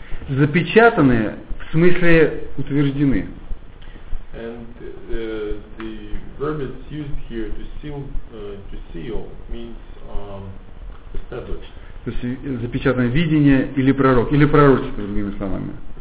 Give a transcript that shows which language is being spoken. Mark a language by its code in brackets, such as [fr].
[ru] Запечатаны, в смысле утверждены. [en] And the verb that's used here to seal means established. [ru] То есть запечатанное видение или пророк, или пророчество, другими словами.